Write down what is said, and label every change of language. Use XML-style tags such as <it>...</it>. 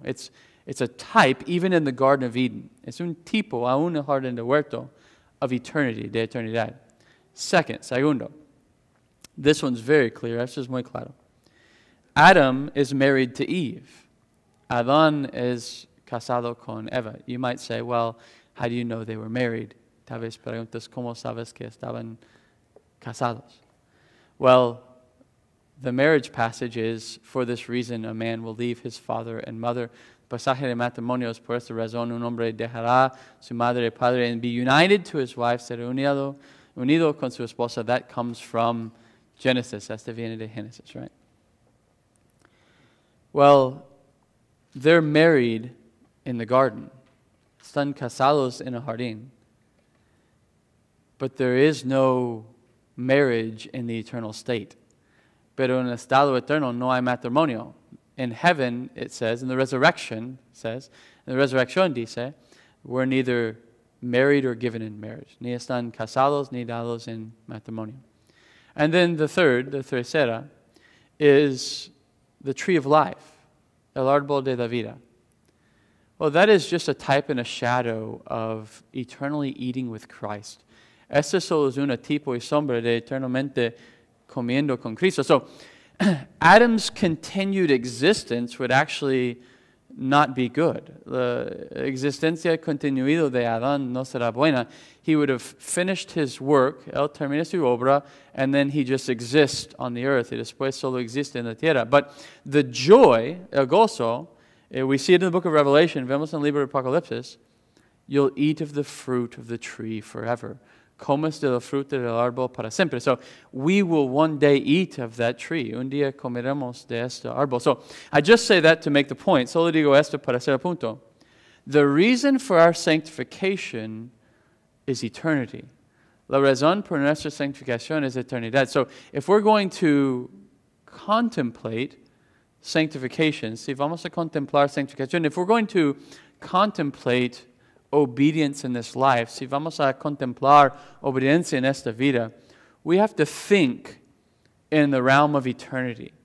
<en>It's a type, even in the Garden of Eden.</en> <es>Es un tipo, aún en el jardín de huerto,</es> <en>of eternity,</en> <es>de eternidad. Segundo.</es> <en>This one's very clear.</en> <es>Esto es muy claro.</es> <en>Adam is married to Eve.</en> <es>Adán es casado con Eva.</es> <en>You might say, well, how do you know they were married?</en> <es>Tal vez preguntas, ¿cómo sabes que estaban casados?</es> <en>Well, the marriage passage is, for this reason, a man will leave his father and mother.</en> <es>Pasaje de matrimonios, por esta razón, un hombre dejará su madre y padre</es> <en>and be united to his wife,</en> <es>ser unido con su esposa.</es> <en>That comes from Genesis.</en> <es>Este viene de Genesis,</es> <en>right? Well, they're married in the garden.</en> <es>Están casados en el jardín.</es> <en>But there is no marriage in the eternal state.</en> <es>Pero en el estado eterno no hay matrimonio.</es> <en>In heaven, it says, in the resurrection, it says, in the resurrection, dice, we're neither married or given in marriage.</en> <es>Ni están casados ni dados en matrimonio.</es> <en>And then the tercera, is the tree of life,</en> <es>el árbol de la vida.</es> <en>Well, that is just a type and a shadow of eternally eating with Christ.</en> <es>Este solo es un tipo y sombra de eternamente comiendo con Cristo.</es> <en>So, Adam's continued existence would actually not be good.</en> <es>La existencia continuada de Adán no será buena.</es> <en>He would have finished his work,</en> <es>él termina su obra,</es> <en>and then he just exists on the earth.</en> <es>Y después solo existe en la tierra.</es> <en>But the joy,</en> <es>el gozo,</es> <en>we see it in the book of Revelation,</en> <es>vemos en el libro de Apocalipsis,</es> <en>you'll eat of the fruit of the tree forever.</en> <es>Comes de la fruta del árbol para siempre.</es> <en>So we will one day eat of that tree.</en> <es>Un día comeremos de este árbol.</es> <en>So I just say that to make the point.</en> <es>Solo digo esto para hacer el punto.</es> <en>The reason for our sanctification is eternity.</en> <es>La razón por nuestra sanctificación es eternidad.</es> <en>So if we're going to contemplate sanctification,</en> <es>si vamos a contemplar sanctificación,</es> <en>if we're going to contemplate obedience in this life,</en> <es>si vamos a contemplar obediencia en esta vida,</es> <en>we have to think in the realm of eternity.</en>